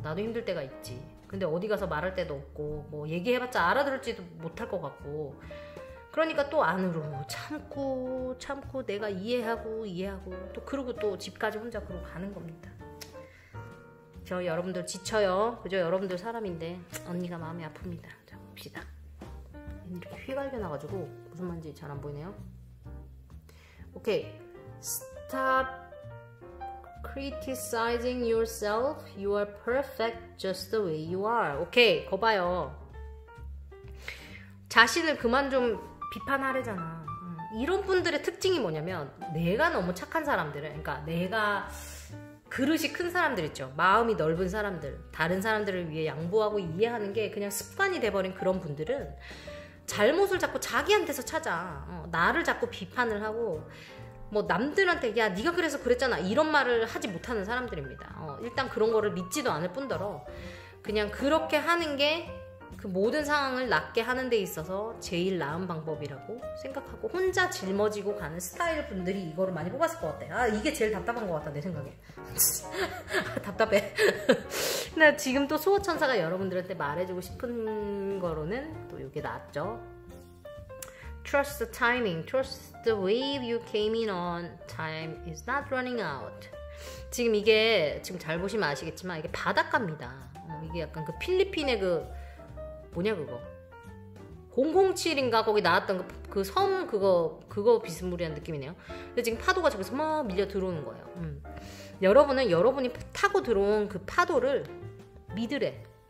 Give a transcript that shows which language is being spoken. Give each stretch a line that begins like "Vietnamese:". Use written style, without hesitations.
Korean: 나도 힘들 때가 있지. 근데 어디 가서 말할 데도 없고 뭐 얘기해봤자 알아들을지도 못할 것 같고 그러니까 또 안으로 참고 내가 이해하고 또 그러고 또 집까지 혼자 그러고 가는 겁니다. 저 여러분들 지쳐요. 그죠? 여러분들 사람인데 언니가 마음이 아픕니다. 자 봅시다. 이렇게 휘갈겨 나가지고 무슨 말인지 잘 안 보이네요. 오케이.
English: Stop criticizing yourself. You are perfect just the way you are.
Korean: 오케이. 거 봐요. 자신을 그만 좀 비판하래잖아. 이런 분들의 특징이 뭐냐면 내가 너무 착한 사람들은, 그러니까 내가 그릇이 큰 사람들 있죠. 마음이 넓은 사람들, 다른 사람들을 위해 양보하고 이해하는 게 그냥 습관이 돼버린 그런 분들은 잘못을 자꾸 자기한테서 찾아. 나를 자꾸 비판을 하고 뭐 남들한테 야 네가 그래서 그랬잖아 이런 말을 하지 못하는 사람들입니다. 일단 그런 거를 믿지도 않을 뿐더러 그냥 그렇게 하는 게 그 모든 상황을 낫게 하는 데 있어서 제일 나은 방법이라고 생각하고 혼자 짊어지고 가는 스타일 분들이 이거를 많이 뽑았을 것 같아요. 아, 이게 제일 답답한 것 같다, 내 생각에. 답답해. 나 지금 또 수호천사가 여러분들한테 말해주고 싶은 거로는 또 이게 낫죠.
English: Trust the timing. Trust the wave you came in on. Time is not running out.
Korean: 지금 이게 지금 잘 보시면 아시겠지만 이게 바닷가입니다. 이게 약간 그 필리핀의 그 뭐냐 그거 007인가 거기 나왔던 그 섬 그거 비스무리한 느낌이네요. 근데 지금 파도가 저기서 막 밀려 들어오는 거예요. 여러분은 여러분이 타고 들어온 그 파도를 믿으래.